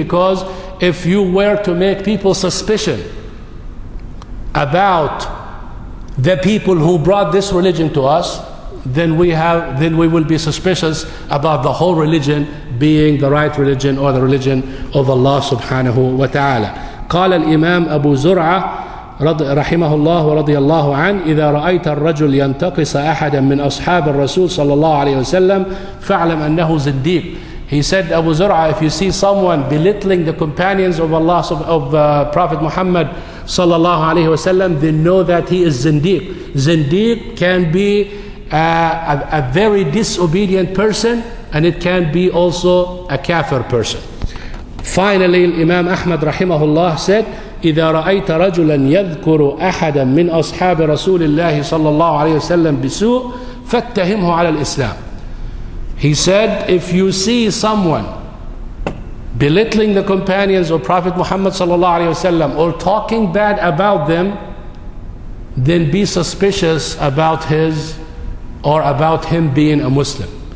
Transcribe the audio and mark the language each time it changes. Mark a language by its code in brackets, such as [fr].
[en] Because if you were to make people suspicion about the people who brought this religion to us, then we will be suspicious about the whole religion being the right religion or the religion of Allah subhanahu wa ta'ala. [ar] قال الإمام أبو زرعة رحمه الله ورضي الله عنه: إذا رأيت الرجل ينتقص أحدا من أصحاب الرسول صلى الله عليه وسلم فاعلم أنه زنديق. [en] He said, Abu Zur'a, if you see someone belittling the companions of Allah, of Prophet Muhammad sallallahu alaihi wasallam, then know that he is zindiq. Zindiq can be a very disobedient person, and it can be also a kafir person. Finally, Imam Ahmad rahimahullah said, [ar] إذا رأيت رجلا يذكر أحدا من أصحاب رسول الله صلى الله عليه وسلم بسوء فاتهمه على الإسلام. [en] He said, if you see someone belittling the companions of Prophet Muhammad sallallahu alaihi wasallam or talking bad about them, then be suspicious about his or about him being a Muslim.